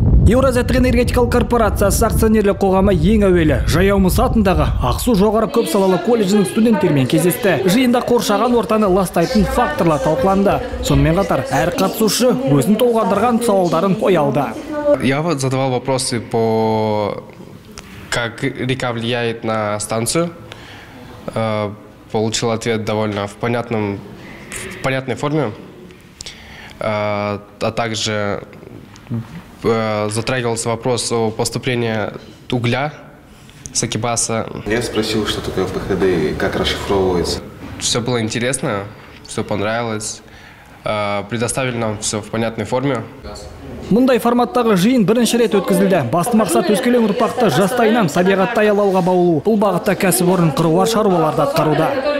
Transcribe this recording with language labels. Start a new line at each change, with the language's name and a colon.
Kazakh: Еуразиялық энергетикалық корпорациясы акционерлік қоғамы ең әуелі Жаяу Мыс атындағы Ақсу жоғары көп салалы колледжінің студенттерімен кездесті. Жиында қоршаған ортаны ластайтын факторлар талқыланды. Сонымен қатар әр қатысушы өзін толғандырған сауалдарын қойды.
Russian: Я вот задавал вопросы по как река влияет на станцию. Получил ответ довольно в понятной форме. А также затрагивался вопрос о поступлении угля с Акибаса. Я спросил, что такое ПХД и как расшифровывается. Все было интересно, все понравилось. Предоставили нам все в понятной форме.
Kazakh: Мұндай форматтағы жиын бірінші рет өткізілді. Басты мақсат өскелең ұрпақты жастайынан табиғатта аялауға баулу. Бұл бағытта кәсіпорын қыруар шаруаларды атқаруда.